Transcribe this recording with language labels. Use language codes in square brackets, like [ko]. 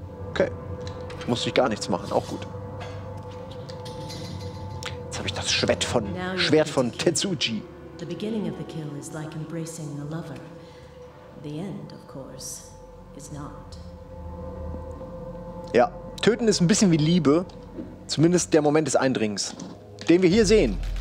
[de] Okay. Muss ich gar nichts machen. Auch gut. Jetzt habe ich das Schwert von Tetsuji. [en] The beginning of the kill is like embracing a lover. The end, of course, is not. [de] Ja, töten ist ein bisschen wie Liebe. Zumindest der Moment des Eindringens, den wir hier sehen.